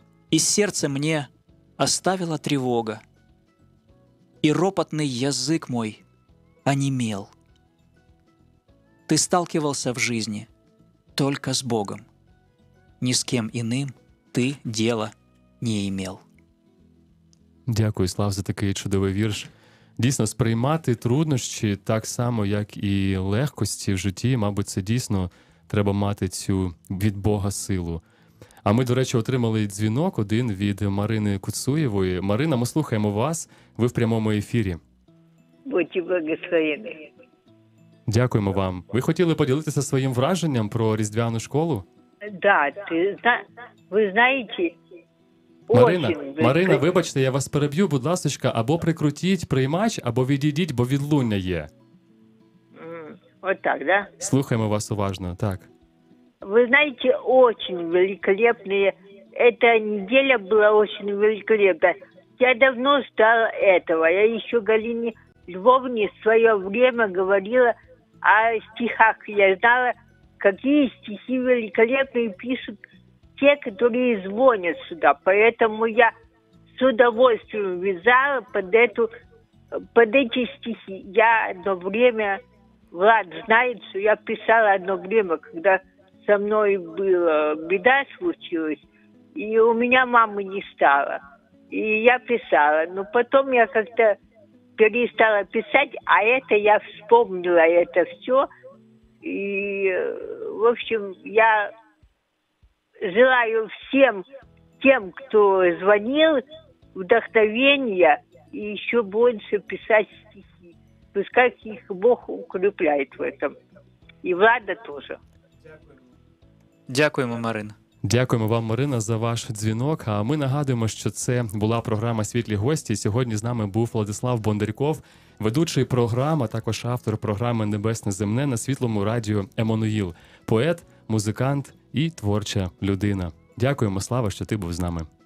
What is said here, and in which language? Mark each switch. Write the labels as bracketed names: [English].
[Russian] И сердце мне оставило тревога, и ропотный язык мой онемел. Ты сталкивался в жизни только с Богом. Ни с кем иным ты дела не имел. [Ukrainian] Дякую, Слав, за такий чудовий вірш. Дійсно, сприймати труднощі так само, як і легкості в житті, мабуть, це дійсно треба мати цю від Бога силу. А ми, до речі, отримали дзвінок один від Марини Куцуєвої. Марина, ми слухаємо вас, ви в прямому ефірі. Будьте благословені. Дякуємо вам. Ви хотіли поділитися своїм враженням про різдвяну школу? Да, ви знаєте, Марина, вибачте, я вас переб'ю, будь ласочка, або прикрутіть приймач, або відійдіть, бо відлуння є. Ось так, да? Слухаємо вас уважно, так. Ви знаєте, дуже великолепні. Ця неділя була дуже великолепна. Я давно стала цього. Я ще Галині Львовні в своє [Russian] время говорила о стихах. [Ukrainian] Я знала, які [Russian] стихи великолепні пишуть те, которые звонят сюда, поэтому я с удовольствием вязала под эти стихи. Я одно время, Влад знает, что я писала одно время, когда со мной была беда случилась, и у меня мамы не стало. И я писала, но потом я как-то перестала писать, а это я вспомнила это все. И, в общем, я желаю всем тем, кто звонил, вдохновения и еще больше писать стихи. Пускай их Бог укрепляет в этом. И Влада тоже. [Ukrainian] Дякуємо, Марина. Дякуємо вам, Марина, за ваш дзвінок. А ми нагадуємо, що це була програма «Світлі гості». Сьогодні з нами був Владислав Бондарьков, ведучий програми, також автор програми «Небесне земне» на Світлому радіо «Еммануїл». Поет, музикант і творча людина. Дякуємо, Слава, що ти був з нами.